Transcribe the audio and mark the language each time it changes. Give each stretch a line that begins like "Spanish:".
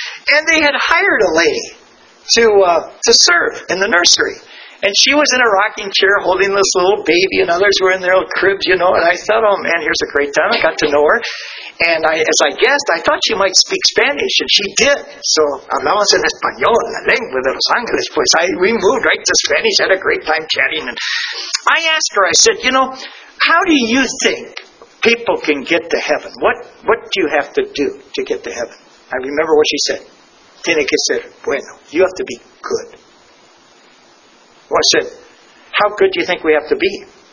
English: And they had hired a lady to serve in the nursery. And she was in a rocking chair holding this little baby, and others were in their little cribs, you know. And I thought, oh man, here's a great time. I got to know her. And as I guessed, I thought she might speak Spanish, and she did.
Spanish: So, hablamos en español, la lengua de los ángeles, pues.
English: We moved right to Spanish, had a great time chatting. And I asked her, I said, you know, how do you think people can get to heaven? What do you have to do to get to heaven? I remember what she said.
Spanish: Tiene que ser bueno.
English: You have to be good. I said, how good do you think we have to be?